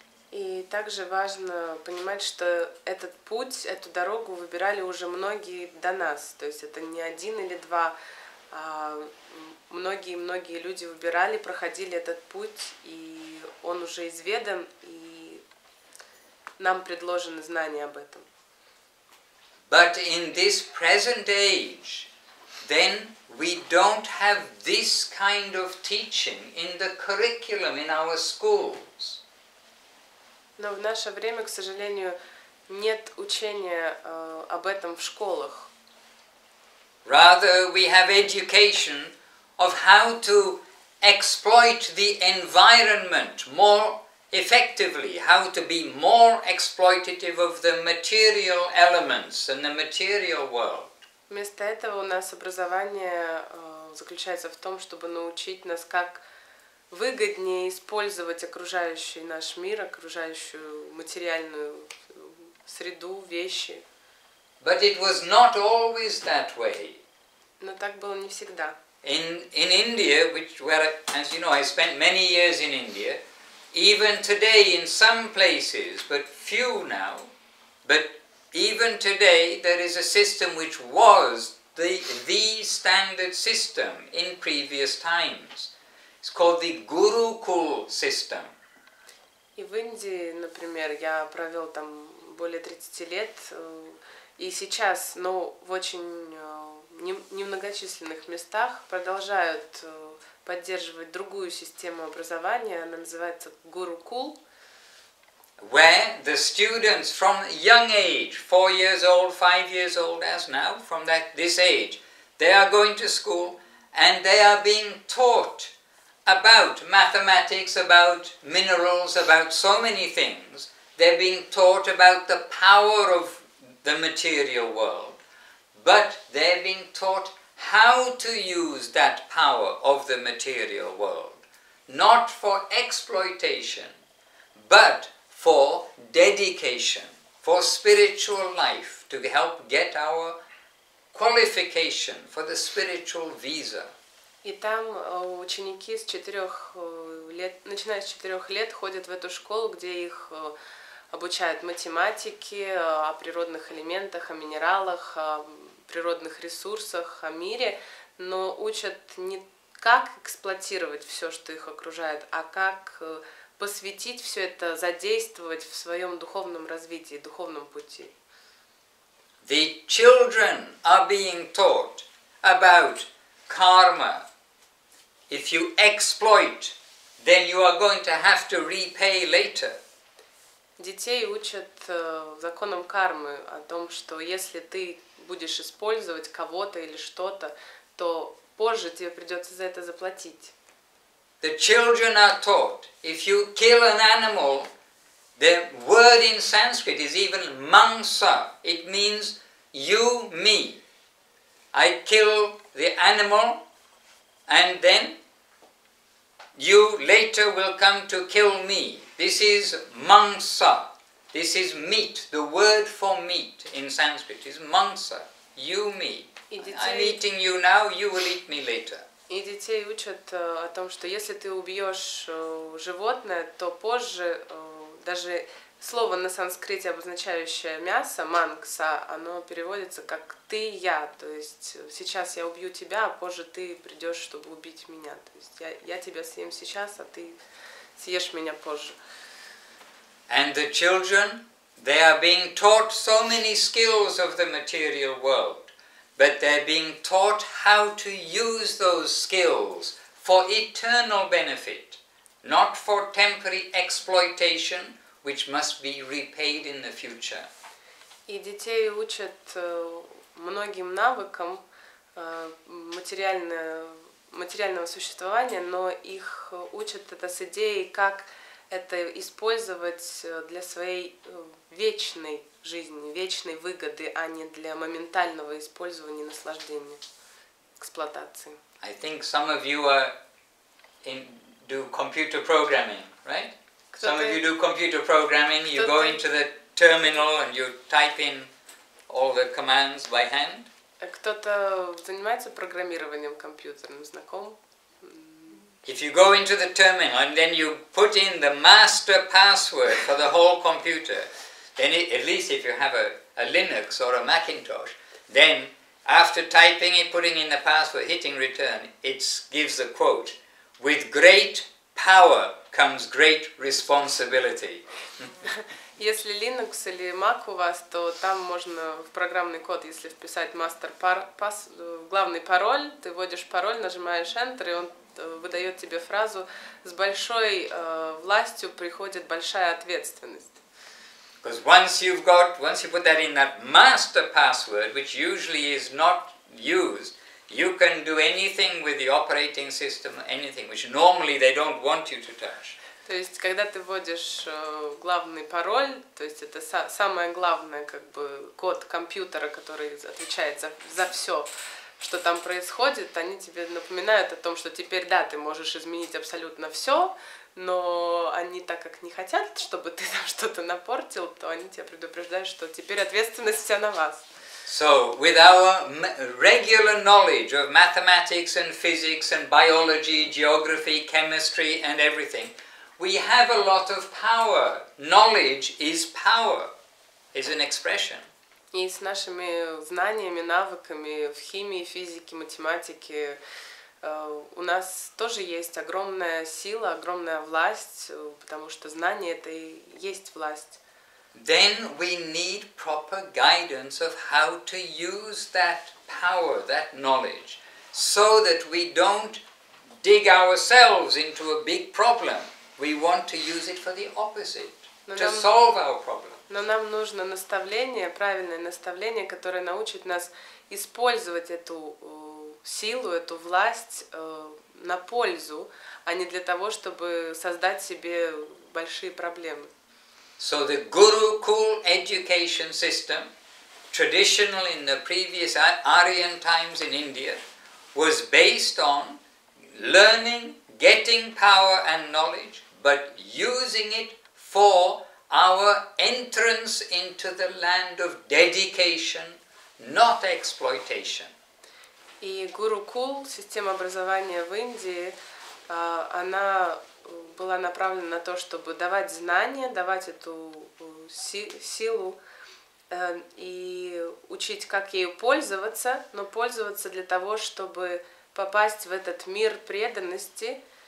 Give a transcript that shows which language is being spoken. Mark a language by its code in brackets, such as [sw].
[ru] И также важно понимать, что этот путь, эту дорогу выбирали уже многие до нас. То есть это не один или два, а многие-многие люди выбирали, проходили этот путь, и он уже изведан, и нам предложены знания об этом. [en] But in this present age, then we don't have this kind of teaching in the curriculum in our schools. [ru] Но в наше время, к сожалению, нет учения об этом в школах. [en] Rather, we have education of how to exploit the environment more effectively, how to be more exploitative of the material elements and the material world. [ru] Вместо этого у нас образование заключается в том, чтобы научить нас, как выгоднее использовать окружающий наш мир, окружающую материальную среду, вещи. [en] But it was not always that way. [ru] Но так было не всегда. [en] In India, where, as you know, I spent many years in India, even today in some places, but few now, but even today there is a system which was the standard system in previous times. It's called the Gurukul system. [ru] И в Индии, например, я провел там более 30 лет, и сейчас, но в очень немногочисленных местах продолжают поддерживать другую систему образования, она называется Gurukul. [en] Where the students from young age, 4 years old, 5 years old as now, from that this age, they are going to school and they are being taught about mathematics, about minerals, about so many things. They're being taught about the power of the material world. But they're being taught how to use that power of the material world, not for exploitation, but for dedication, for spiritual life, to help get our qualification for the spiritual visa. [ru] И там ученики с 4 лет, начиная с 4 лет, ходят в эту школу, где их обучают математике, о природных элементах, о минералах, природных ресурсах, о мире, но учат не как эксплуатировать все, что их окружает, а как посвятить все это, задействовать в своем духовном развитии, духовном пути. [en] The children are being taught about karma. If you exploit, then you are going to have to repay later. [ru] Детей учат законам кармы о том, что если ты будешь использовать кого-то или что-то, то позже тебе придется за это заплатить. [en] The children are taught, if you kill an animal, the word in Sanskrit is even mangsa. It means you, me. I kill the animal, and then you later will come to kill me. This is mangsa. This is meat. The word for meat in Sanskrit is mangsa. You, me. I'm eating you now, you will eat me later. [ru] И детей учат о том, что если ты убьешь животное, то позже, даже слово на санскрите, обозначающее мясо, мангса, оно переводится как ты, я. То есть сейчас я убью тебя, а позже ты придешь, чтобы убить меня. То есть я тебя съем сейчас, а ты съешь меня позже. [en] And the children, they are being taught so many skills of the material world, but they're being taught how to use those skills for eternal benefit, not for temporary exploitation, which must be repaid in the future. [ru] И детей учат многим навыкам материального существования, но их учат это с идеей, как это использовать для своей вечной жизни, вечной выгоды, а не для моментального использования, наслаждения, эксплуатации. [en] I think some of you do computer programming, right? Some of you do computer programming, you go into the terminal and you type in all the commands by hand. [ru] Кто-то занимается программированием компьютером, знаком? [en] If you go into the terminal and then you put in the master password for the whole computer, then it, at least if you have a Linux or a Macintosh, then after typing it, putting in the password, hitting return, it gives a quote, with great power comes great responsibility. [ru] Если Linux или Mac у вас, то там можно в программный код, если вписать master pass, главный пароль, ты вводишь пароль, нажимаешь Enter, и он выдает тебе фразу «С большой властью приходит большая ответственность». [en] Because once you put that in that master password, which usually is not used, you can do anything with the operating system, anything, which normally they don't want you to touch. [ru] То есть, когда ты вводишь главный пароль, то есть это самое главное, как бы, код компьютера, который отвечает за все, что там происходит, они тебе напоминают о том, что теперь, да, ты можешь изменить абсолютно все, но они, так как не хотят, чтобы ты там что-то напортил, то они тебя предупреждают, что теперь ответственность вся на вас. [en] So, with our regular knowledge of mathematics and physics and biology, geography, chemistry and everything, we have a lot of power. Knowledge is power, is an expression. [ru] И с нашими знаниями, навыками в химии, физике, математике у нас тоже есть огромная сила, огромная власть, потому что знание — это и есть власть. [en] Then we need proper guidance of how to use that power, that knowledge, so that we don't dig ourselves into a big problem. We want to use it for the opposite, to solve our problem. [ru] Но нам нужно наставление, правильное наставление, которое научит нас использовать эту силу, эту власть на пользу, а не для того, чтобы создать себе большие проблемы. [en] So the Gurukul education system, traditional in the previous Aryan times in India, was based on learning, getting power and knowledge, but using it for our entrance into the land of dedication, not exploitation. [ru] И Гурукул, система образования в Индии, она была направлена на то, чтобы давать знания, давать эту силу и учить, как ею пользоваться, но пользоваться для того, чтобы попасть в этот мир преданности.